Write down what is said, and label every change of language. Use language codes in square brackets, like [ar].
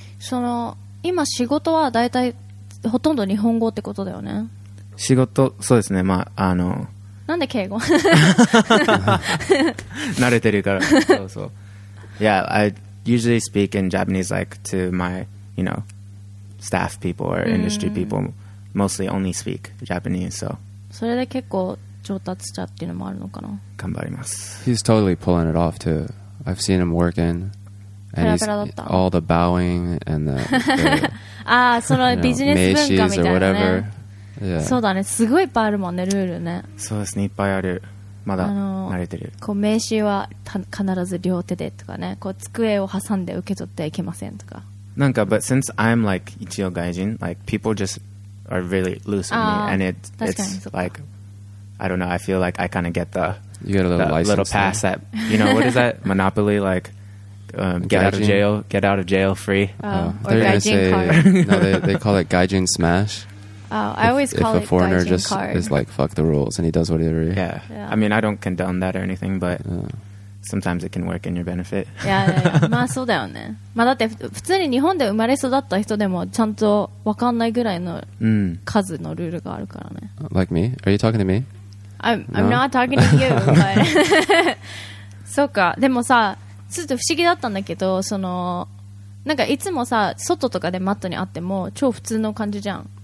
[ja] その今仕事はだいたいほとんど日本語ってことだよね。仕事、そうですね。まあ、あの、なんで敬語？慣れてるから。そうそう。 [en] Yeah, I usually speak in Japanese like to my, you know, staff people or industry people. Mostly only speak Japanese, so. [ja] それで結構上達したっていうのもあるのかな。頑張ります。 [en] He's totally pulling it off too. I've seen him working. And he's all the bowing and the, [ja] ah, そのビジネス文化みたいなね。 [en] 名刺 or whatever. Yeah. [ja] そうだね。すごいいっぱいあるもんね、ルールね。そうですね。いっぱいある。まだ慣れてる。こう名刺は必ず両手でとかね。こう机を挟んで受け取ってはいけませんとか。 [en] なんか、but since I'm like [ja] 一応外人, [en] like people just are really loose with me, and it's like I don't know. I feel like I kind of get the you get a little license, little pass that you know what is that Monopoly like. Get out of jail free. They're gaijin say, no, they call it gaijin smash. Oh, I always call it a foreigner gaijin just card. Is like fuck the rules and he does whatever. Yeah. I mean, I don't condone that or anything, but sometimes it can work in your benefit. [ja] Yeah. まあそうだよね。まあだって普通に日本で生まれ育った人でもちゃんと分かんないぐらいの数のルールがあるからね。 [en] Like me? Are you talking to me? I'm not talking to you. [ja] そうか。でもさ。ちょっと不思議だったんだけど、そのなんかいつもさ外とかでマットに会っても超普通の感じじゃん。